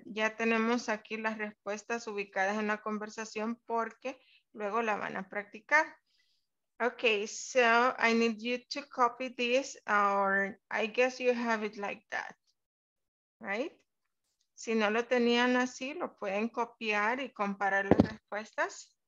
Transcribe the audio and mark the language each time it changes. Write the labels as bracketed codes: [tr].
[es] Ya tenemos aquí las respuestas ubicadas en la conversación porque luego la van a practicar. [en] Okay, so I need you to copy this, or I guess you have it like that, right? [es] Si no lo tenían así, lo pueden copiar y comparar las respuestas.